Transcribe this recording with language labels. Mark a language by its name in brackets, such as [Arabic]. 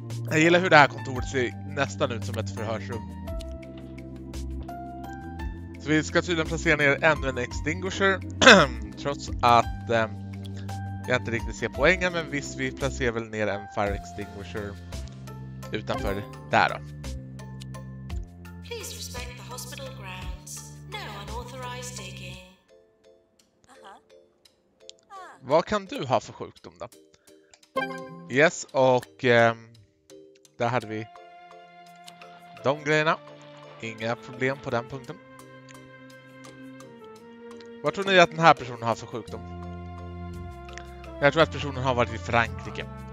[Swedish] Jag gillar hur det här kontoret ser nästan ut som ett förhörsrum. Vi ska tydligen placera ner ännu en extinguisher trots att jag inte riktigt ser poängen, men visst, vi placerar väl ner en fire extinguisher utanför där då. [English] Please respect the hospital grounds. No unauthorized digging. [Swedish] Vad kan du ha för sjukdom då? Yes, och där hade vi de grejerna. Inga problem på den punkten. Vad tror ni att den här personen har för sjukdom? Jag tror att personen har varit i Frankrike.